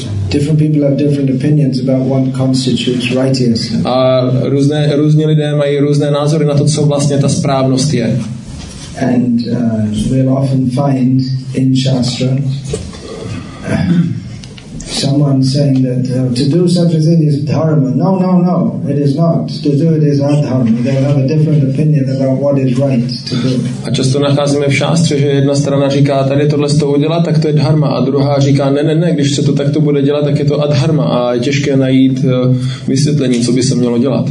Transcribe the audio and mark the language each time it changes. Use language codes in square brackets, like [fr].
[en] Different people have different opinions about what constitutes righteousness. [cs] A různí lidé mají různé názory na to, co vlastně ta správnost je. [en] And we'll often find in Shastra someone saying that to do such a thing is dharma. No, it is not. To do it is adharma. They have a different opinion about what is right to do. [cs] A často nacházíme v Shastře, že jedna strana říká, tady tohle to udělat, tak to je dharma. A druhá říká, ne, když se to takto bude dělat, tak je to adharma. A je těžké najít vysvětlení, co by se mělo dělat.